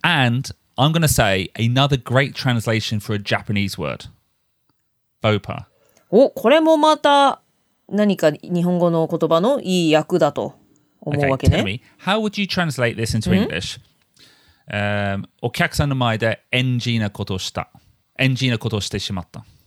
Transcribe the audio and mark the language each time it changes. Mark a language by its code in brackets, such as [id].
[en] And I'm going to say another great translation for a Japanese word. Faux pas. [ja] お、これもまた何か日本語の言葉のいい訳だと。 [en] Okay, tell me, how would you translate this into English? [ja] お客さんの前で NG なことをした。NG なことをしてしまった。